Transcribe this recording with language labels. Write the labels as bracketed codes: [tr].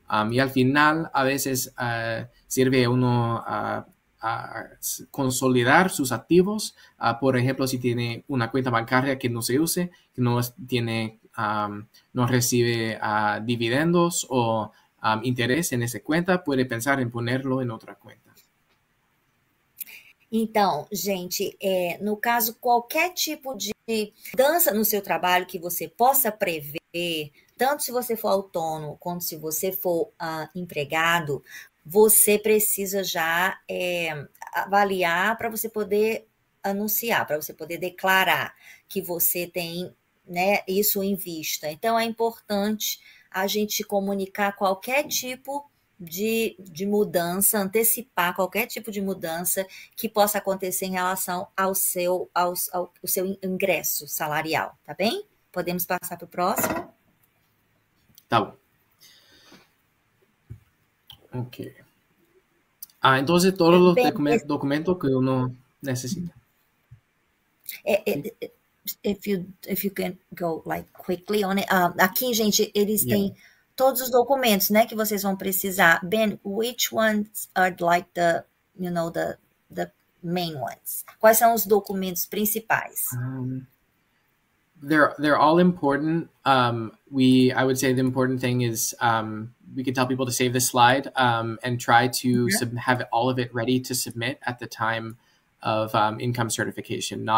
[es] Y al final, a veces sirve a uno a consolidar sus activos. Por ejemplo, si tiene una cuenta bancaria que no se use, que no tiene... no recibe dividendos o interés en esa cuenta, puede pensar en ponerlo en otra cuenta. [pt] Então, gente, no caso, qualquer tipo de mudança no seu trabalho que você possa prever, Tanto se você for autônomo, quanto se você for empregado, você precisa já avaliar para você poder anunciar, para você poder declarar que você tem, né, isso em vista. Então, é importante a gente comunicar qualquer tipo de mudança, antecipar qualquer tipo de mudança que possa acontecer em relação ao seu ingresso salarial, tá bem? Podemos passar para o próximo? Ok. Ah, então todos os Bem, documentos que eu não necessito. [en] if you can go like quickly on it, [pt] aqui, gente, eles [en] Yeah. [pt] têm todos os documentos, né, que vocês vão precisar. [en] Ben, which ones are like the, you know, the main ones? [pt] Quais são os documentos principais? [en] They're all important. I would say the important thing is we could tell people to save the slide and try to have all of it ready to submit at the time of income certification.